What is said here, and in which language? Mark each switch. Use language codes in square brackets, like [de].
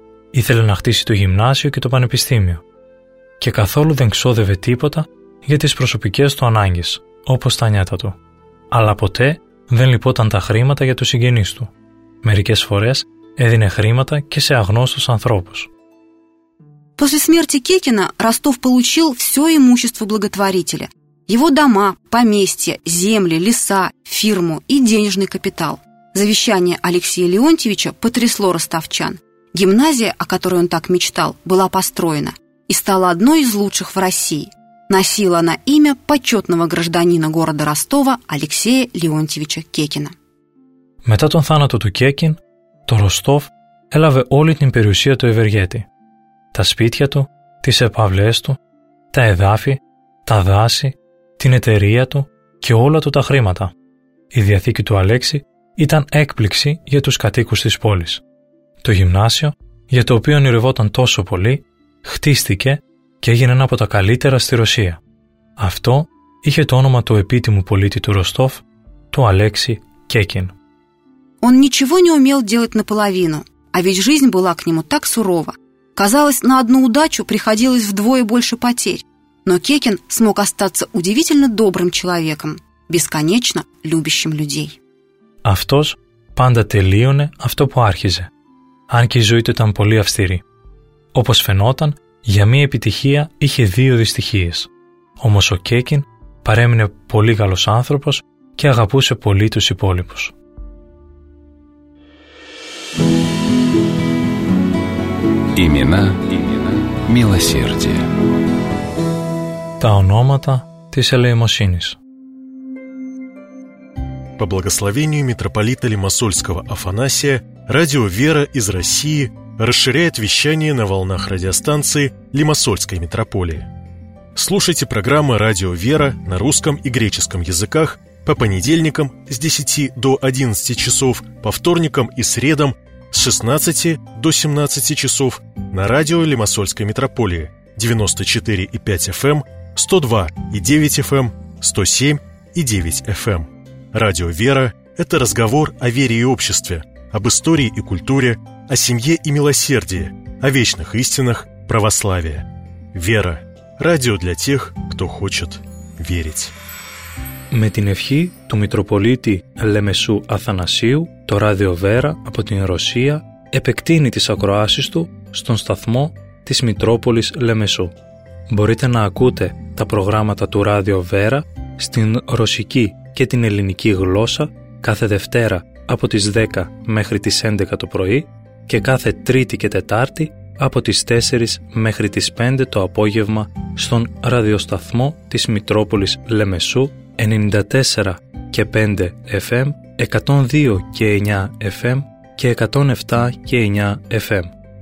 [el] Ήθελε να χτίσει το γυμνάσιο και το πανεπιστήμιο. Και καθόλου δεν ξόδευε τίποτα για τις προσωπικές του ανάγκες, όπως τα νιάτα του. Αλλά ποτέ δεν λυπόταν τα χρήματα για τους συγγενείς του. Μερικές φορές έδινε χρήματα και σε αγνώστους ανθρώπους. [ru] После смерти Кекина Ростов получил все имущество благотворителя. Его дома, поместья, земли, леса, фирму и денежный капитал. Завещание Алексея Леонтьевича потрясло ростовчан. Гимназия, о которой он так мечтал, была построена и стала одной из лучших в России. Носила она имя почетного гражданина города Ростова Алексея Леонтьевича Кекина. [el] Мета тон θάνατο του Кекин, το Ροστόφ έλαβε όλη την περιουσία του Ευεργέτη. Τα σπίτια του, τις επαυλές του, τα εδάφη, τα δάση, την εταιρεία του και όλα του τα χρήματα. Η διαθήκη του Αλέξη ήταν έκπληξη για τους κατοίκους της πόλης. Το γυμνάσιο, για το οποίο ονειρευόταν τόσο πολύ, χτίστηκε και έγινε ένα από τα καλύτερα στη Ρωσία. Αυτό είχε το όνομα του επίτιμου πολίτη του Ροστόφ, του Αλέξη Κέκιν. [ru] Он ничего не умел делать наполовину, а ведь жизнь была к нему так сурова. Казалось, на одну удачу приходилось вдвое больше потерь. Но Кекин смог остаться удивительно добрым человеком, бесконечно любящим людей. [el] Αυτός πάντα τελείωνε αυτό που άρχιζε, αν και η ζωή του ήταν πολύ αυστηρή. Όπως φαινόταν, για μία επιτυχία είχε δύο δυστυχίες. Όμως ο Κέκιν παρέμεινε πολύ καλός άνθρωπος και αγαπούσε πολύ τους υπόλοιπους. [ru] Имена, имена милосердия. [el] Та ономата της ελεημοσύνης. [ru] По благословению митрополита Лимассольского Афанасия, радио «Вера» из России расширяет вещание на волнах радиостанции Лимассольской митрополии. Слушайте программы «Радио «Вера» на русском и греческом языках по понедельникам с 10 до 11 часов, по вторникам и средам с 16 до 17 часов на радио Лимассольской митрополии 94,5 FM, 102,9 FM, 107,9 FM. Радио «Вера» – это разговор о вере и обществе, об истории и культуре, о семье и милосердии, о вечных истинах православия. «Вера» – радио для тех, кто хочет верить. [el] Με την ευχή του Μητροπολίτη Λεμεσού Αθανασίου, το Ράδιο Βέρα από την Ρωσία επεκτείνει τις ακροάσεις του στον σταθμό της Μητρόπολης Λεμεσού. Μπορείτε να ακούτε τα προγράμματα του Ράδιο Βέρα στην ρωσική και την ελληνική γλώσσα κάθε Δευτέρα από τις 10 μέχρι τις 11 το πρωί και κάθε Τρίτη και Τετάρτη από τις 4 μέχρι τις 5 το απόγευμα στον ραδιοσταθμό της Μητρόπολης Λεμεσού 94 και 5 FM, 102 και 9 FM και 107 και 9 FM.